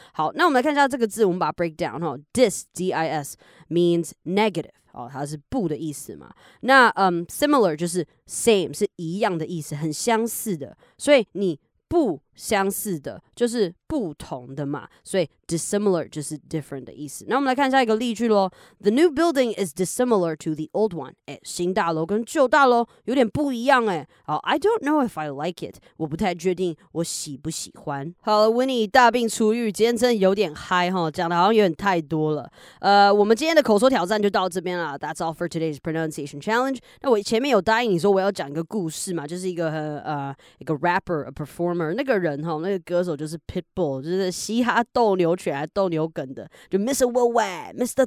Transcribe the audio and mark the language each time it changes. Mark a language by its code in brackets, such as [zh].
[zh] 好，那我们来看一下这个字，我们把它 [en] break down。 dis means negative， [zh] 它是不的意思嘛。那similar 就是 same， 是一样的意思，很相似的。所以你不相似的就是不同的嘛，所以 dissimilar 就是 different 的意思。那我们来看一下一个例句咯。 [en] The new building is dissimilar to the old one. [zh] 新大楼跟旧大楼有点不一样好。 [en] I don't know if I like it. [zh] 我不太确定我喜不喜欢。好了， Winnie 大病初愈，今天真的有点 high 哈，讲的好像有点太多了。我们今天的口说挑战就到这边啦。 [en] That's all for today's pronunciation challenge. [zh] 那我前面有答应你说我要讲一个故事嘛，就是一个一个 rapper， [en] a performer， [zh] 那个人哈，那个歌手就是 Pitbull， 就是嘻哈斗牛犬还斗牛梗的，就 Mr. Worldwide， Mr.